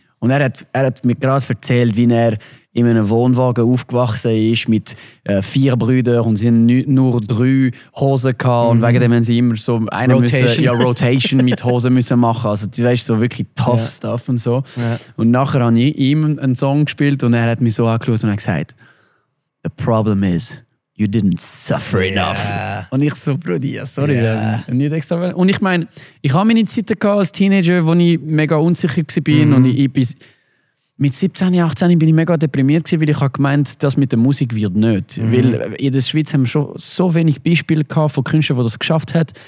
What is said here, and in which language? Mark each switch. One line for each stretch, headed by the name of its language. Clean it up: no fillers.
German: Und er hat mir gerade erzählt, wie er in einem Wohnwagen aufgewachsen ist mit 4 Brüdern und sie nur 3 Hosen gehabt. Und wegen dem haben sie immer so eine Rotation mit Hosen müssen machen. Also du weißt, so wirklich
English: tough stuff
German: und so.
English: Yeah.
German: Und nachher habe ich ihm einen Song gespielt und er hat mich so angeschaut und hat gesagt,
English: The problem is, you didn't suffer enough. Yeah.
German: Und ich so, Brudi, ja, sorry. Yeah. Nicht extra. Und ich meine, ich habe meine Zeiten als Teenager, wo ich mega unsicher war. Mm-hmm. Und ich bin mit 17, 18 bin ich mega deprimiert gewesen, weil ich habe gemeint, das mit der Musik wird nicht. Mm-hmm. Weil in der Schweiz haben wir schon so wenig Beispiele gehabt von Künstlern, die das geschafft haben. Mm-hmm.